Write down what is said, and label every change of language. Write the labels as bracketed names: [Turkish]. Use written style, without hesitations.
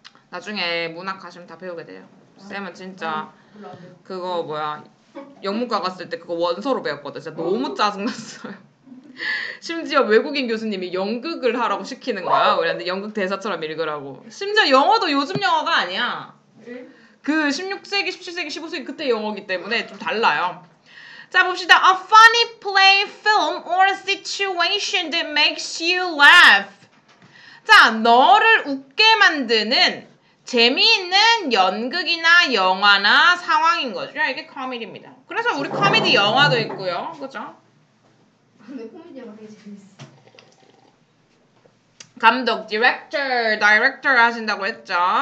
[Korean] 나중에 문학 가시면 다 배우게 돼요. 쌤은 진짜 그거 뭐야 영문과 갔을 때 그거 원서로 배웠거든. 진짜 너무 짜증났어요. 심지어 외국인 교수님이 연극을 하라고 시키는 거야. 우리한테 연극 대사처럼 읽으라고. 심지어 영어도 요즘 영어가 아니야. 그 16세기, 17세기, 15세기 그때 영어이기 때문에 좀 달라요. 자, 봅시다. [English] A funny play, film or situation that makes you laugh. [Korean] 자, 너를 웃게 만드는 재미있는 연극이나 영화나 상황인 거죠. 이게 코미디입니다. 그래서 우리 코미디 영화도 있고요. 그죠? 근데 코미디 영화 되게 재밌어. 감독, 디렉터, 다이렉터 하신다고 했죠.